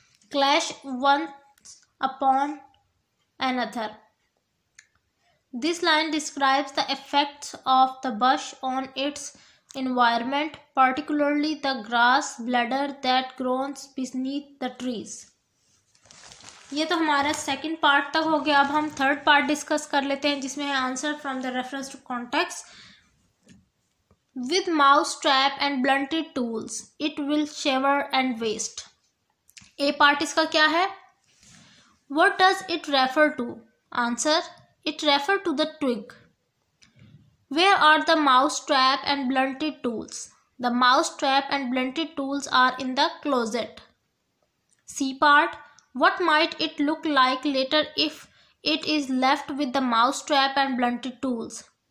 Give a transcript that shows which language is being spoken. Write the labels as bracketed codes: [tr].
[en] Clash once upon another. This line describes the effects of the bush on its environment, particularly the grass bladder that grows beneath the trees. [hi] ये तो हमारा second part तक हो गया. अब हम third part discuss कर लेते हैं, जिसमें है [en] Answer from the reference to context. With mouse trap and blunted tools it will shiver and waste. A part [hi] इसका क्या है? [en] What does it refer to? Answer: It refers to the twig. Where are the mouse trap and blunted tools? The mouse trap and blunted tools are in the closet. C part: What might it look like later if it is left with the mouse trap and blunted tools?